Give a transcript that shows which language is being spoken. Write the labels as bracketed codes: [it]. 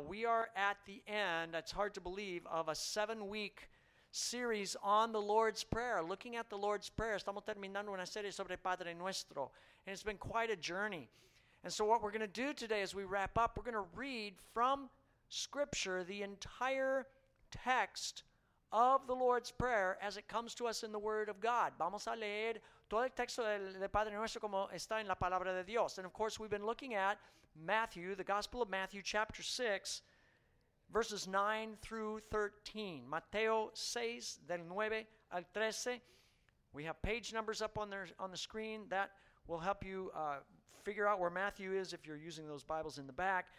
[en] We are at the end, it's hard to believe, of a seven-week series on the Lord's Prayer, looking at the Lord's Prayer. [es] Estamos terminando una serie sobre Padre Nuestro. And it's been quite a journey. [en] And so what we're going to do today as we wrap up, we're going to read from Scripture the entire text of the Lord's Prayer as it comes to us in the Word of God. [es] Vamos a leer todo el texto del Padre Nuestro como está en la Palabra de Dios. [en] And of course, we've been looking at Matthew, the Gospel of Matthew, chapter 6, verses 9 through 13. Mateo 6, del 9 al 13. We have page numbers up on the screen that will help you figure out where Matthew is if you're using those Bibles in the back.